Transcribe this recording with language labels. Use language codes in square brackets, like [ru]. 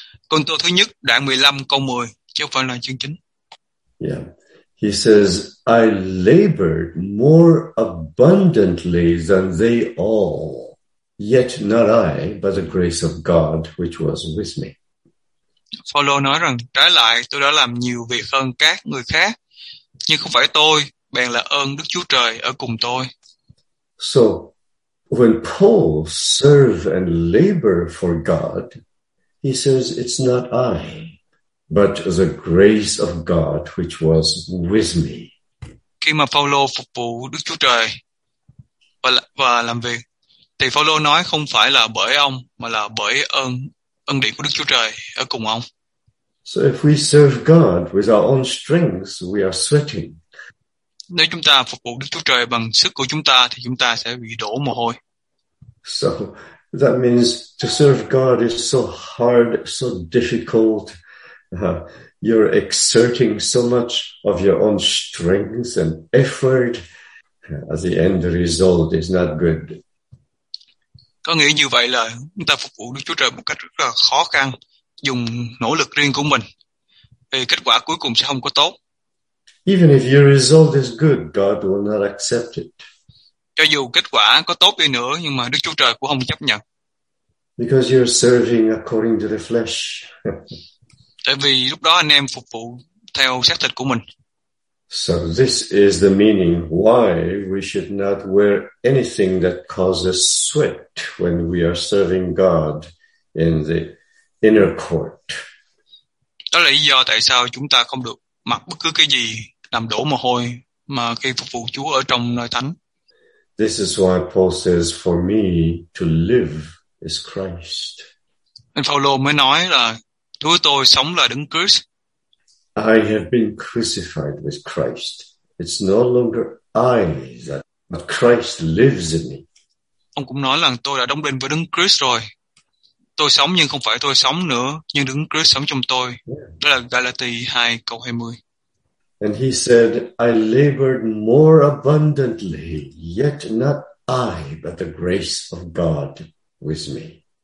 [vi] Côn Tô thứ nhất, đoạn 15, câu 10, chứ không phải là chương 9. Yeah. [en] He says, I labored more abundantly than they all, yet not I, but the grace of God which was with me. [vi] Phaolô nói rằng, trái lại, tôi đã làm nhiều việc hơn các người khác, nhưng không phải tôi, bèn là ơn Đức Chúa Trời ở cùng tôi. [en] So, when Paul served and labored for God, he says, it's not I, but the grace of God which was with me. [vi] Khi mà Phaolô phục vụ Đức Chúa Trời và làm việc, thì Phaolô nói không phải là bởi ông, mà là bởi ân điển của Đức Chúa Trời ở cùng ông. [en] So if we serve God with our own strength, we are sweating. [vi] Nếu chúng ta phục vụ Đức Chúa Trời bằng sức của chúng ta, thì chúng ta sẽ bị đổ mồ hôi. [en] So that means to serve God is so hard, so difficult. You're exerting so much of your own strength and effort. As the end result is not good. [vi] Có nghĩa như vậy là chúng ta phục vụ Đức Chúa Trời một cách rất là khó khăn, dùng nỗ lực riêng của mình, thì kết quả cuối cùng sẽ không có tốt. [en] Even if your result is good, God will not accept it. [vi] Cho dù kết quả có tốt đi nữa, nhưng mà Đức Chúa Trời cũng không chấp nhận. [en] Because you're serving according to the flesh. [vi] Tại vì lúc đó anh em phục vụ theo xác thịt của mình. [en] So this is the meaning why we should not wear anything that causes sweat when we are serving God in the inner court. [vi] Đó là lý do tại sao chúng ta không được mặc bất cứ cái gì làm đổ mồ hôi mà khi phục vụ Chúa ở trong nơi thánh. [en] This is why Paul says, for me to live is Christ. [vi] Nên Phaolô mới nói là Chúa tôi sống là Đấng Christ. [en] I have been crucified with Christ. It's no longer I that, but Christ lives in me. [vi] Ông cũng nói là tôi đã đóng đinh với Đấng Christ rồi. Tôi sống nhưng không phải tôi sống nữa, nhưng Đấng Christ sống trong tôi. Đó là Galati 2 câu 20. [en] And he said, I labored more abundantly, yet not I, but the grace of God with me.